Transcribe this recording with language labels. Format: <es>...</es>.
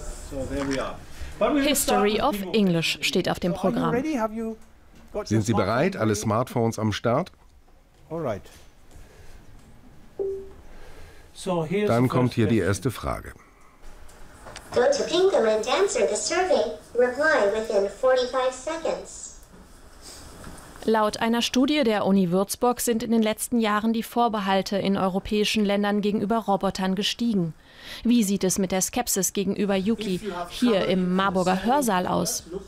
<en>So, there we are. History of English</en> <de>steht auf dem Programm.</de> <en>Are you ready? Have you</en> <de>Sind Sie bereit? Alle Smartphones am Start?</de> <en>Alright.</en> <de>Dann kommt hier die erste Frage.</de> <en>Go to Pinkham and answer the survey. Reply within 45 seconds.</en> <de>Laut einer Studie der Uni Würzburg sind in den letzten Jahren die Vorbehalte in europäischen Ländern gegenüber Robotern gestiegen. Wie sieht es mit der Skepsis gegenüber Yuki hier im Marburger Hörsaal aus?</de>